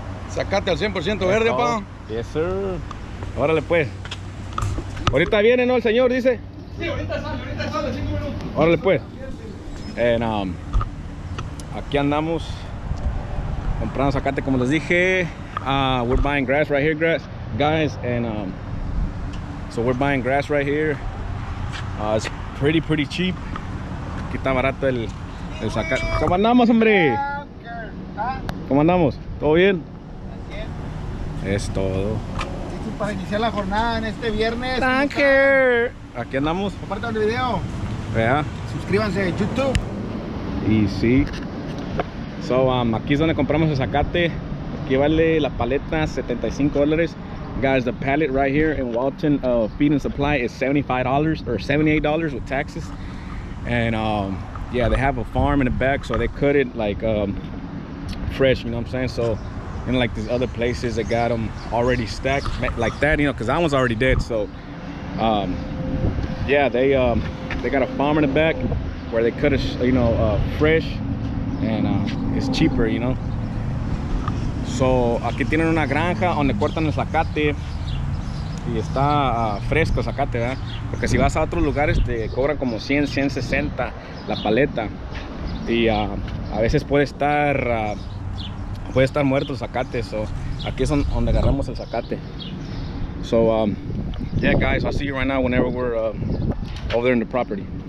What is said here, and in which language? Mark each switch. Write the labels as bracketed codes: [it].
[es] Zacate al 100% verde, papá. [en] Yes, sir. [es] Órale, pues. Ahorita viene, ¿no? El señor dice. Sí, ahorita sale, 5 minutos. Órale, pues. En, aquí andamos comprando zacate, como les dije. [en] We're buying grass right here, grass. Guys, and so we're buying grass right here. It's pretty cheap. [es] Aquí está barato el sacar. ¿Cómo andamos, hombre? ¿Cómo andamos? ¿Todo bien? Es todo. Listo para iniciar la jornada en este viernes. [en] Thank you. [es] Aquí andamos. Compartan el video. Vea. Yeah. Suscríbanse a YouTube. Y sí. So, aquí es donde compramos el zacate. Aquí vale la paleta $75. [en] Guys, the pallet right here in Walton Feed and Supply is $75 or $78 with taxes. And yeah, they have a farm in the back, so they cut it like fresh, you know what I'm saying? So in like these other places, they got them already stacked like that, you know, because that one's already dead. So yeah, they got a farm in the back where they cut it, you know, fresh, and it's cheaper, you know. [es] So, aquí tienen una granja donde cortan el zacate y está fresco el zacate, ¿verdad? Porque si vas a otros lugares te cobran como 100, 160 la paleta. Y a veces puede estar muerto el zacate. So, aquí es donde agarramos el zacate. [en] So, yeah, guys, I'll see you right now whenever we're over there in the property.